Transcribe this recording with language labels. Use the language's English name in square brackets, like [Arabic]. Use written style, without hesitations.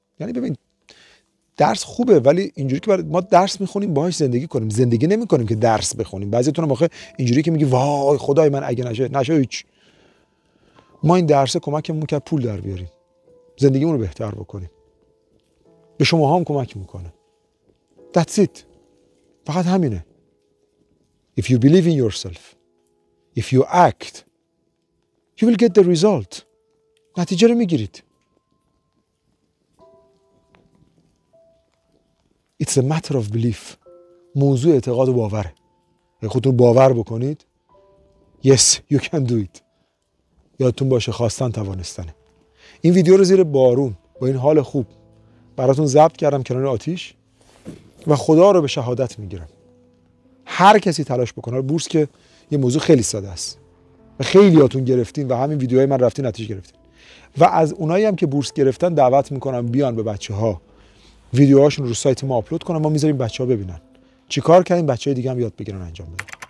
[Persian] یعنی ببین درس خوبه، ولی اینجوری که ما درس میخونیم باهاش زندگی کنیم، زندگی نمیکنیم که درس بخونیم. بعضیتون آخه اینجوری که میگی وای خدای من اگه نشه هیچ. ما این درسه کمکمون کرد پول در بیاریم، زندگیمون رو بهتر بکنیم، به شما هم کمک میکنه. [English] That's it. [Persian] فقط همینه. [English] If you believe in yourself, if you act, you will get the result. [Persian] نتیجه رو میگیرید. [English] It's a matter of belief. [Persian] موضوع اعتقاد و باوره. اگه خودتون باور بکنید، [English] yes, you can do it. [Persian] یادتون باشه خواستن توانستنه. این ویدیو رو زیر بارون با این حال خوب براتون ضبط کردم کنار آتیش و خدا رو به شهادت میگیرم. هر کسی تلاش بکنه. بورس که یه موضوع خیلی ساده است و خیلیاتون گرفتین و همین ویدیوهای من رفتین نتیجه گرفتین، و از اونایی هم که بورس گرفتن دعوت میکنم بیان به بچه‌ها ویدیوهاشون رو سایت ما آپلود کنن، ما می‌ذاریم بچه‌ها ببینن چیکار کردیم، بچه‌های دیگه هم یاد بگیرن انجام بدن.